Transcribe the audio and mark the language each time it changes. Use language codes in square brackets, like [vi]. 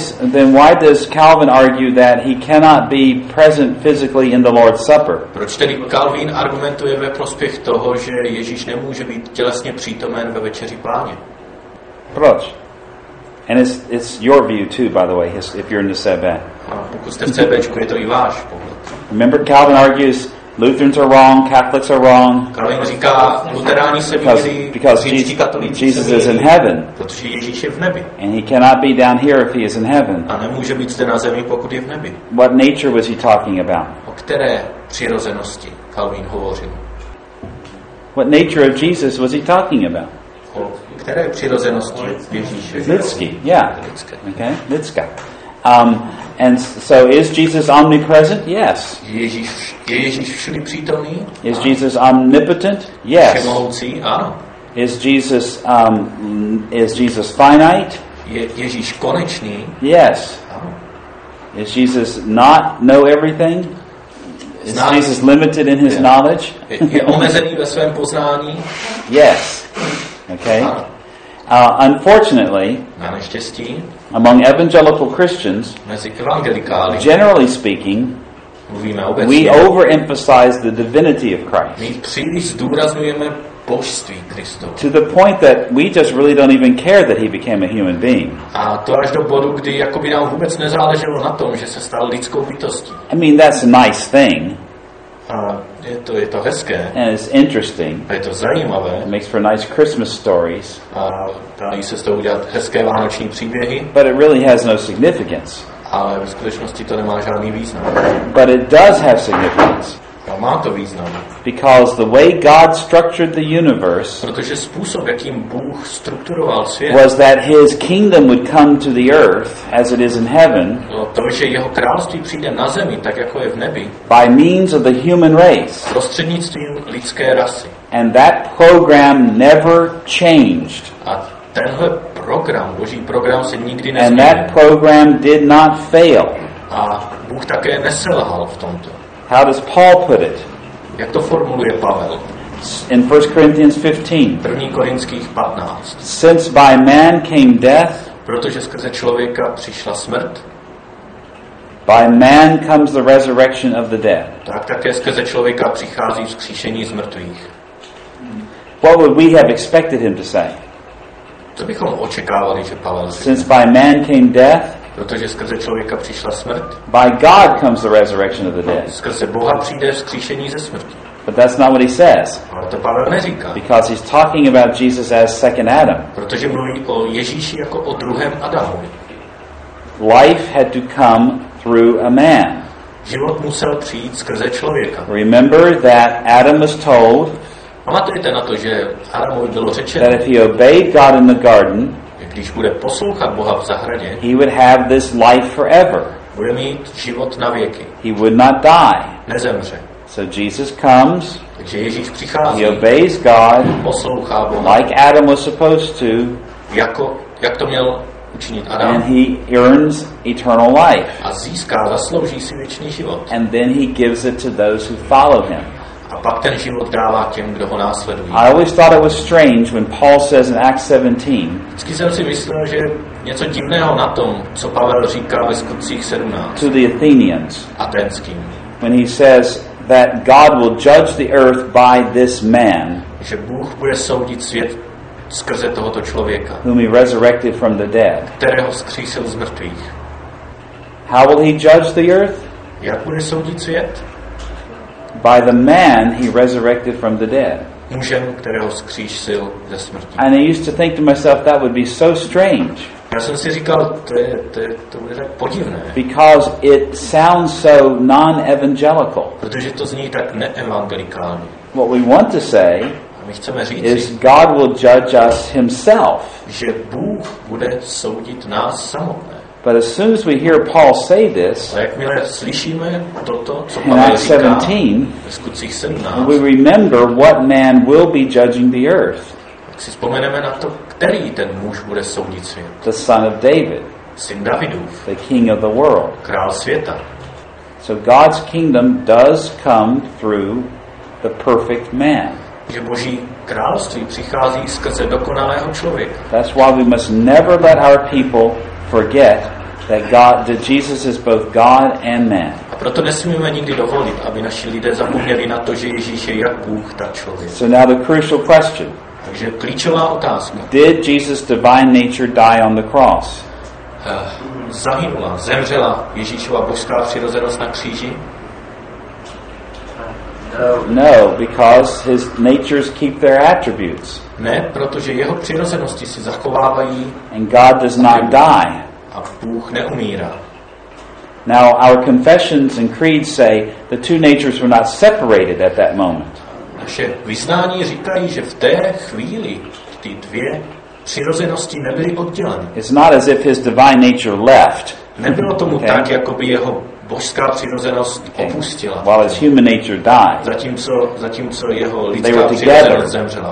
[en] Then why does Calvin argue that he cannot be present physically in the Lord's Supper? [cs] Proč tedy Calvin argumentuje ve prospěch toho, že Ježíš nemůže být tělesně přítomen ve večeři Páně? Proč? [en] And it's your view too, by the way, if you're in the CB. [cs] Pokud jste v CBčku, je to i váš pohled. [en] Remember, Calvin argues Lutherans are wrong, Catholics are wrong. [cs] Calvin říká, luteráni se mýlí, říčtí katolíci [en] Jesus is in heaven. [cs] Protože Ježíš je v nebi. [en] And he cannot be down here if he is in heaven. [cs] A nemůže být zde na zemi, pokud je v nebi. [en] What nature was he talking about? [cs] O které přirozenosti Calvin hovořil? [en] What nature of Jesus was he talking about? [cs] O které přirozenosti Ježíše? Lidský, [en] yeah. Okay, [cs] lidská. [en] And so is Jesus omnipresent? Yes. [cs] Je Ježíš všudy přítomný? [en] Is Jesus omnipotent? Yes. [cs] Všemohoucí? Ano. [en] Is Jesus finite? [cs] Ježíš konečný? [en] Yes. [cs] Ano. [en] Is Jesus not know everything? Is Jesus limited in his knowledge? [cs] Je omezený ve svém poznání? [en] Yes. Okay. Unfortunately, [cs] na neštěstí, [en] among evangelical Christians, [cs] mezi evangelikály, [en] generally speaking, [cs] mluvíme obecně, [en] we overemphasize the divinity of Christ. [cs] My příliš zdůrazňujeme božství Kristova. [en] To the point that we just really don't even care that he became a human being. [cs] A to až do bodu, kdy jakoby nám vůbec nezáleželo na tom, že se stal lidskou bytostí. [en] I mean, that's a nice thing. [cs] Je to hezké. [en] And it's interesting. [cs] A je to zajímavé. [en] It makes for nice Christmas stories. [cs] A dá se z toho udělat hezké vánoční příběhy. [en] But it really has no significance. [cs] Ale ve skutečnosti to nemá žádný význam. [en] But it does have significance. [cs] A má to význam. [en] Because the way God structured the universe, [cs] protože způsob, jakým Bůh strukturoval svět, [en] was that his kingdom would come to the earth as it is in heaven, [cs] to, že jeho království přijde na zemi, tak jako je v nebi, [en] by means of the human race, [cs] prostřednictvím lidské rasy. [en] And that program never changed. [cs] A tenhle program, Boží program se nikdy nezměnil. [en] And that program did not fail. [cs] A Bůh také neselhal v tomto. [en] How does Paul put it? [cs] Jak to formuluje Pavel? [en] In 1 Corinthians 15. [cs] 1. Korinských 15. [en] Since by man came death, [cs] protože skrze člověka přišla smrt, [en] by man comes the resurrection of the dead. [cs] Tak také skrze člověka přichází vzkříšení z mrtvých. [en] What would we have expected him to say? [cs] Co bychom očekávali, že Pavel řekne? [en] Since by man came death, [cs] protože skrze člověka přišla smrt. [en] By God comes the resurrection of the dead. [cs] Skrze Boha přijde vzkříšení ze smrti. [en] But that's not what he says. [cs] Ale to Pavel neříká. [en] Because he's talking about Jesus as second Adam. [cs] Protože mluví o Ježíši jako o druhém Adamovi. [en] Life had to come through a man. [cs] Život musel přijít skrze člověka. [en] Remember that Adam was told. [cs] Pamatujte na to, že Adamovi bylo řečeno. [en] That if he obeyed God in the garden, [cs] když bude poslouchat Boha v zahradě, [en] he would have this life forever. [cs] Bude mít život na věky. [en] He would not die. [cs] Nezemře. [en] So Jesus comes. [cs] Takže Ježíš přichází. [en] He obeys God. [cs] Poslouchá Boha. [en] Like Adam was supposed to. [cs] Jak to měl učinit Adam. [en] And he earns eternal life. [cs] A získá, zaslouží si věčný život. [en] And then he gives it to those who follow him. [cs] A pak ten život dává těm, kdo ho následují. [en] I always thought it was strange when Paul says in Acts 17. [cs] Vždycky jsem si myslel, že něco divného na tom, co Pavel říká ve Skutcích 17. [en] To the Athenians. [cs] Athenským. [en] When he says that God will judge the earth by this man. [cs] Že Bůh bude soudit svět skrze tohoto člověka. [en] Whom he resurrected from the dead. [cs] Kterého vzkřísil z mrtvých. [en] How will he judge the earth? [cs] Jak bude soudit svět? [en] By the man he resurrected from the dead. [cs] Mužem, kterého vzkřísil ze smrti. [en] And I used to think to myself that would be so strange. [cs] Já jsem si říkal, to bude tak podivné. [en] Because it sounds so non-evangelical. [cs] Protože to zní tak neevangelikálně. [en] What we want to say is God will judge us himself. [cs] Že Bůh bude soudit nás samotné. [en] But as soon as we hear Paul say this, [cs] jakmile slyšíme toto, co [en] in Acts 17, [cs] ve Skutcích 17, [en] we remember what man will be judging the earth. [cs] Tak si vzpomeneme na to, který ten muž bude soudit svět. [en] The son of David. [cs] Syn Davidův. [en] The king of the world. [cs] Král světa. [en] So God's kingdom does come through the perfect man. [cs] Že Boží království přichází skrze dokonalého člověka. [en] That's why we must never let our people forget that God, that Jesus is both God and man. [cs] A proto nesmíme nikdy dovolit, aby naši lidé zapomněli na to, že Ježíš je jak Bůh, tak člověk. [en] So now the crucial question. [cs] Takže klíčová otázka. [en] Did Jesus' divine nature die on the cross? [cs] Zahynula, zemřela Ježíšova božská přirozenost na kříži? [en] No, because his natures keep their attributes. [cs] Ne, protože jeho přirozenosti si zachovávají. [en] And God does not die. [cs] A Bůh neumírá. [en] Now our confessions and creeds say the two natures were not separated at that moment. [cs] Naše vyznání říkají, že v té chvíli ty dvě přirozenosti nebyly odděleny. [en] It's not as if his divine nature left. [cs] Nebylo tomu okay. Tak, jako by jeho božská přirozenost opustila. [en] While his human nature died. [cs] Zatímco jeho lidská přirozenost zemřela.